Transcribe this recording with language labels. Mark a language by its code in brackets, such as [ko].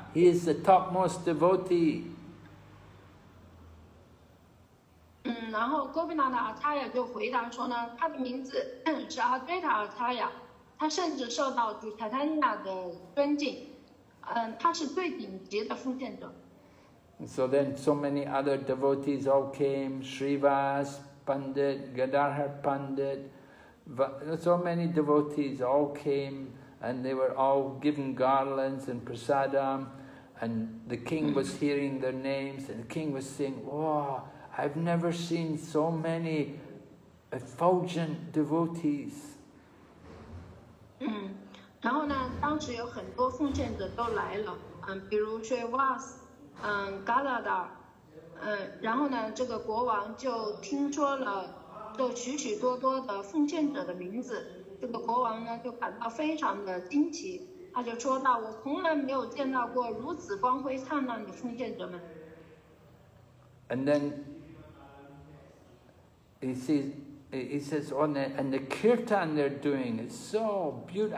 [en] He is the topmost devotee. [zh] 然后 Govinda 的 Acharya 就回答说呢，他的名字是 Advaita Acharya。他甚至受到主塔坦纳的尊敬，他是最顶级的奉献者。 [en] So then, so many other devotees all came: Srivas Pandit, Gadarhar Pandit, so many devotees all came, and they were all given garlands and prasadam, and the king was hearing their names, and the king was saying, "Wow, I've never seen so many effulgent devotees." [zh] 然后呢，当时有很多奉献者都来了，比如 Srivas, Gadadhar, 然后呢，这个国王就听说了这许许多多的奉献者的名字，这个国王呢就感到非常的惊奇，他就说道，我从来没有见到过如此光辉灿烂的奉献者们。 [en] And then he sees,He says, "Oh, and the kirtan they're doing is so beautiful.